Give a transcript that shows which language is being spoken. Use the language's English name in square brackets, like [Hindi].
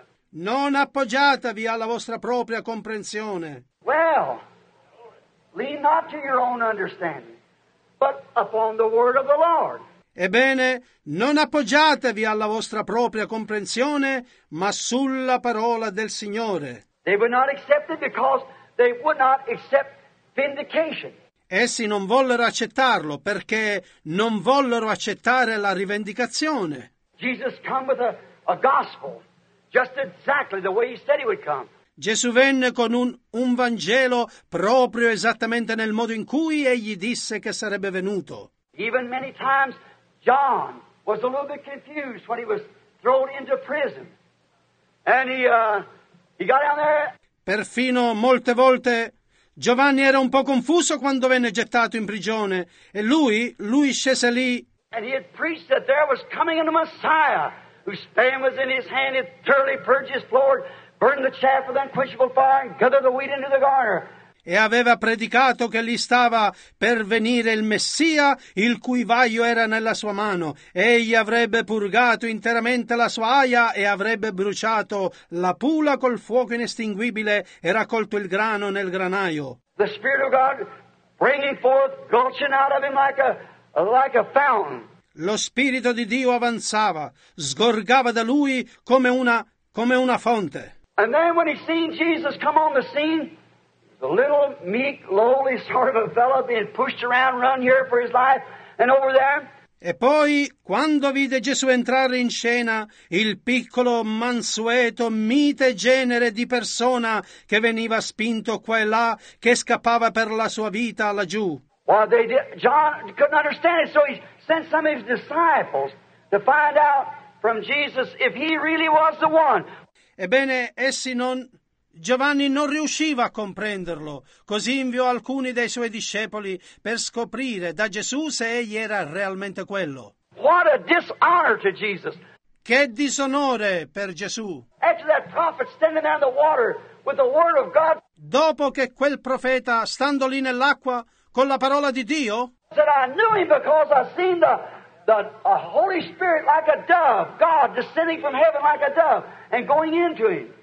[Italian] Non appoggiatevi alla vostra propria comprensione. [English] Well, lean not to your own understanding, but upon the word of the Lord. [Italian] Ebbene, non appoggiatevi alla vostra propria comprensione, ma sulla parola del Signore. [English] They would not accept it because they would not accept vindication. [Italian] Essi non vollero accettarlo perché non vollero accettare la rivendicazione. [English] Jesus came with a gospel. Just exactly the way he said he would come. [Italian] Gesù venne con un Vangelo proprio esattamente nel modo in cui egli disse che sarebbe venuto. [English] Even many times John was a little bit confused when he was thrown into prison. And he got down there. [Italian] Perfino molte volte Giovanni era un po' confuso quando venne gettato in prigione e lui scese lì. [English] And he had preached that there was coming in the Messiah. Whose fan was in his hand, it thoroughly purged his floor, burned the chaff with unquenchable fire, and gathered the wheat into the garner. [Italian] E aveva predicato che lì stava per venire il Messia, il cui vaio era nella sua mano. Egli avrebbe purgato interamente la sua aia e avrebbe bruciato la pula col fuoco inestinguibile e raccolto il grano nel granaio. [English] The Spirit of God bringing forth, gulching out of him like a fountain. [Italian] Lo Spirito di Dio avanzava, sgorgava da lui come una fonte. [English] And then when he seen Jesus come on the scene, the little, meek, lowly sort of a fellow being pushed around, run here for his life, and over there. [Italian] E poi, quando vide Gesù entrare in scena, il piccolo, mansueto, mite genere di persona che veniva spinto qua e là, che scappava per la sua vita laggiù. [English] Well, they did. John couldn't understand it, so he sent some of his disciples to find out from Jesus if he really was the one. [Italian] Ebbene, Giovanni non riusciva a comprenderlo, così inviò alcuni dei suoi discepoli per scoprire da Gesù se egli era realmente quello. [English] What a dishonor to Jesus! [Italian] Che disonore per Gesù! [English] After that prophet standing down the water with the word of God. [Italian] Dopo che quel profeta stando lì nell'acqua con la parola di Dio. [English] That I knew him because I seen the Holy Spirit like a dove, God descending from heaven like a dove and going into him.